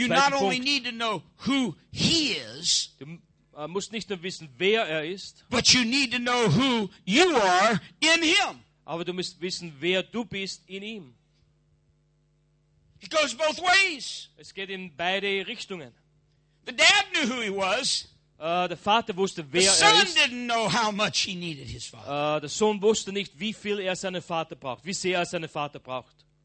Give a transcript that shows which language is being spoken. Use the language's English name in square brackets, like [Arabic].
[English] You not only need to know who he is, [German] du musst nicht nur wissen, wer ist, [English] but you need to know who you are in him. [German] Aber du musst wissen, wer du bist in ihm. [English] It goes both ways. [German] Es geht in beide Richtungen. [English] The dad knew who he was. [German] Der Vater wusste, wer [English] the son didn't know how much he needed his father. [German] Der Sohn wusste nicht, wie viel seinen Vater braucht, wie sehr seinen Vater braucht.